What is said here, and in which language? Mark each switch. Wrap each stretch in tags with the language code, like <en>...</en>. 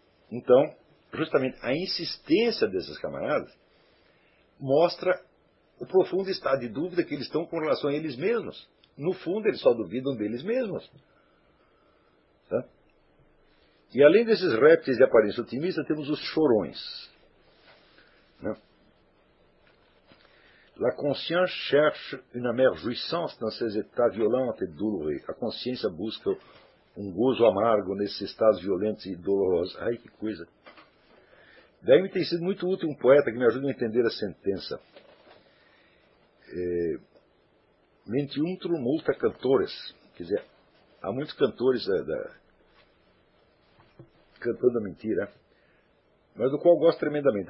<pt>Então, justamente a insistência desses camaradas mostra o profundo estado de dúvida que eles estão com relação a eles mesmos. No fundo, eles só duvidam deles mesmos. Tá? E além desses répteis de aparência otimista, temos os chorões. Né?</pt> <fr>La conscience cherche une amère jouissance dans ces états violents et douloureux.</fr> <pt>A consciência busca um gozo amargo nesses estados violentos e dolorosos. Ai, que coisa! Daí me tem sido muito útil um poeta que me ajuda a entender a sentença.</pt> <la>Mentiuntrum multa cantores.</la> <pt>Quer dizer, há muitos cantores cantando a mentira, mas do qual gosto tremendamente.</pt>